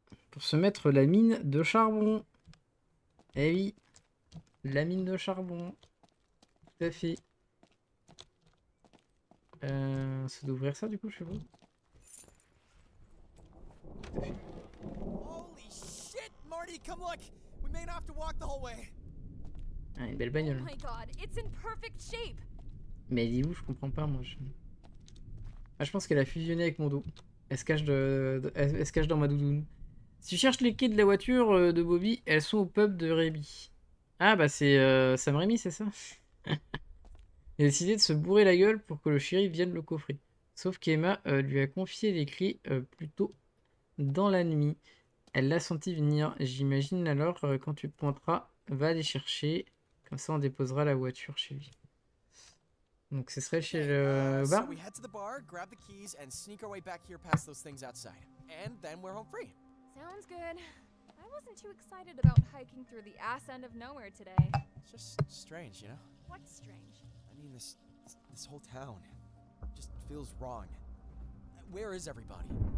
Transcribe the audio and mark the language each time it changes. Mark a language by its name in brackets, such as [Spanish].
[French] Pour se mettre la mine de charbon. Eh oui, la mine de charbon. Tout à fait. C'est d'ouvrir ça du coup chez vous. [English] Holy shit, Marty, come look. We may not have to walk the whole way. [French] Ah, une belle bagnole. [English] Oh my god, it's in perfect shape. [French] Mais elle est où? Je comprends pas moi. Ah, je pense qu'elle a fusionné avec mon dos. Elle se cache elle se cache dans ma doudoune. Si je cherche les clés de la voiture de Bobby, elles sont au pub de Rémi. Ah bah c'est Sam Rémi, c'est ça? Il a décidé de se bourrer la gueule pour que le shérif vienne le coffrer. Sauf qu'Emma lui a confié les clés plus tôt dans la nuit. Elle l'a senti venir. J'imagine alors quand tu pointeras, va les chercher. Comme ça, on déposera la voiture chez lui. Donc, ce serait chez le [English] So [French] bar? [English] we head to the bar, grab the keys, and sneak our way back here past those things outside. And then we're home free. Sounds good. I wasn't too excited about hiking through the ass end of nowhere today. It's just strange, you know? What's strange? I mean, this whole town just feels wrong. Where is everybody?